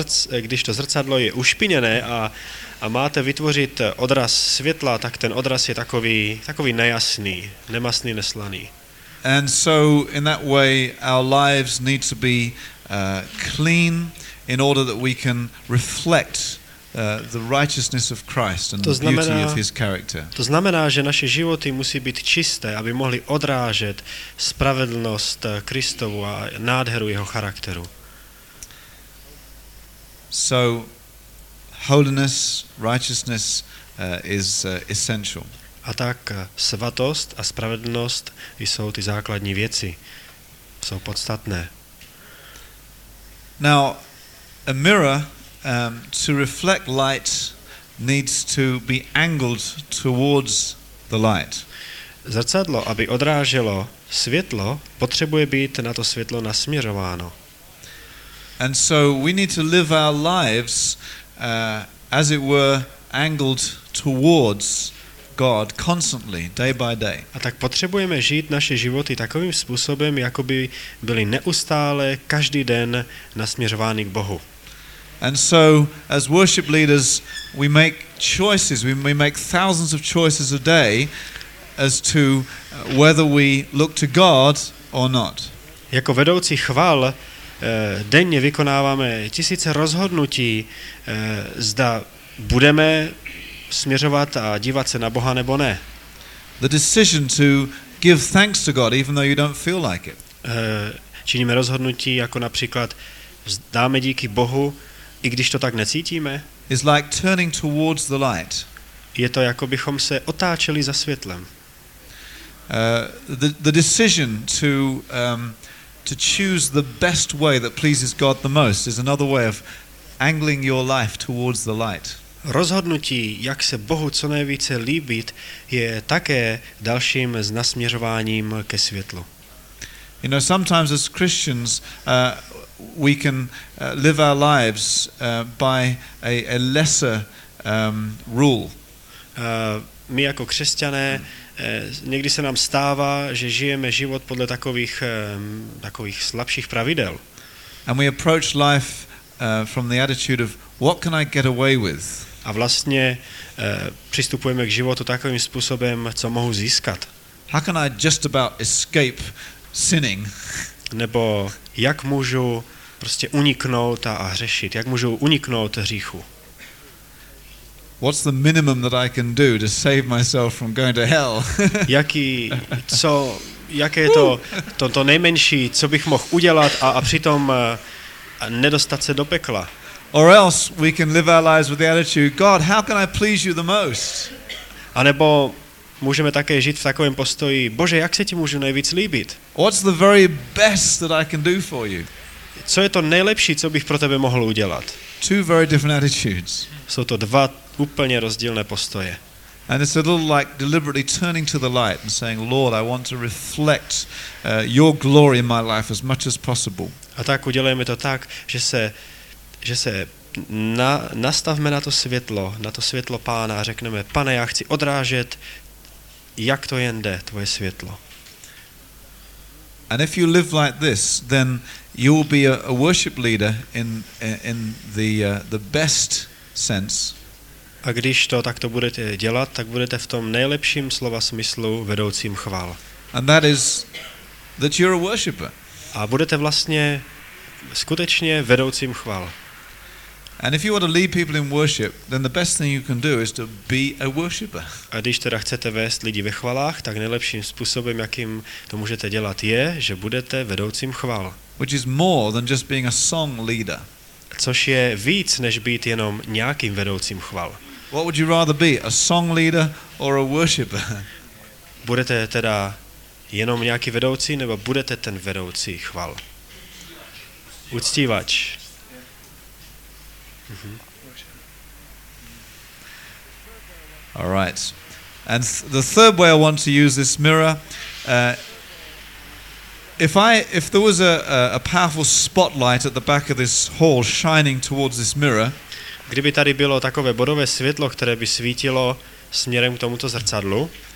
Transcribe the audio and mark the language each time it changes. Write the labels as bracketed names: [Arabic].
[Czech] Když to zrcadlo je ušpiněné a máte vytvořit odraz světla, tak ten odraz je takový nejasný, nemastný, neslaný. [English] And so in that way our lives need to be clean in order that we can reflect the righteousness of Christ and the beauty of his character. [Czech] To znamená, že naše životy musí být čisté, aby mohly odrážet spravedlnost Kristovu a nádheru jeho charakteru. [English] So holiness, righteousness is essential. [Czech] A tak svatost a spravedlnost jsou ty základní věci. Jsou podstatné. [English] Now, a mirror to reflect light needs to be angled towards the light. [Czech] Zrcadlo, aby odráželo světlo, potřebuje být na to světlo nasměrováno. [English] And so we need to live our lives as it were angled towards God constantly, day by day. [Czech] A tak potřebujeme žít naše životy takovým způsobem, jako by byly neustále, každý den nasměřovány k Bohu. [English] And so, as worship leaders, we make choices, we make thousands of choices a day as to whether we look to God or not. [Czech] Jako vedoucí chval denně vykonáváme tisíce rozhodnutí, zda budeme směřovat a dívat se na Boha nebo ne. [English] The decision to give thanks to God even though you don't feel like it. [Czech] Činíme rozhodnutí jako například vzdáme díky Bohu i když to tak necítíme. [English] It's like turning towards the light. [Czech] Je to jako bychom se otáčeli za světlem. [English] The decision to choose the best way that pleases God the most is another way of angling your life towards the light. [Czech] Rozhodnutí, jak se Bohu co nejvíce líbit, je také dalším z nasměřováním ke světlu. [English] You know, sometimes as Christians we can live our lives by a lesser rule. [Czech] My jako křesťané někdy se nám stává, že žijeme život podle takových slabších pravidel. [English] And we approach life from the attitude of what can I get away with? [Czech] A vlastně přistupujeme k životu takovým způsobem, co mohu získat. [English] How can I just about escape sinning? [Czech] Nebo jak můžu prostě uniknout a hřešit? Jak můžu uniknout hříchu? [English] What's the minimum that I can do to save myself from going to hell? [Czech] Jaký, co jaké je to nejmenší, co bych mohl udělat a přitom nedostat se do pekla. [English] Or else we can live our lives with the attitude, God, how can I please you the most? [Czech] A nebo můžeme také žít v takovém postoji, Bože, jak se ti můžu nejvíc líbit? [English] What's the very best that I can do for you? [Czech] Co je to nejlepší, co bych pro tebe mohl udělat? [English] Two very different attitudes. [Czech] Jsou to dva úplně rozdílné postoje. [English] And it's a little like deliberately turning to the light and saying, Lord, I want to reflect your glory in my life as much as possible. [Czech] A tak udělejme to tak, že se nastavme na to světlo Pána a řekneme, Pane, já chci odrážet, jak to jen jde, tvoje světlo. [English] And if you live like this, then you will be a worship leader in the best sense. [Czech] A když to takto budete dělat, tak budete v tom nejlepším slova smyslu vedoucím chvál. [English] And that is that you're a worshipper. [Czech] A budete vlastně skutečně vedoucím chvál. [English] And if you want to lead people in worship, then the best thing you can do is to be a worshipper. [Czech] A když teda chcete vést lidi ve chválách, tak nejlepším způsobem, jakým to můžete dělat, je, že budete vedoucím chvál. [English] Which is more than just being a song leader. [Czech] Což je víc než být jenom nějakým vedoucím chval. [English] What would you rather be, a song leader or a worshipper? [Czech] Budete teda jenom nějaký vedoucí nebo budete ten vedoucí chval? Uctívač. [English] Mm-hmm. All right. And the third way I want to use this mirror, if there was a powerful spotlight at the back of this hall shining towards this mirror, [Czech] kdyby tady bylo takové bodové světlo, které by svítilo směrem k tomuto zrcadlu,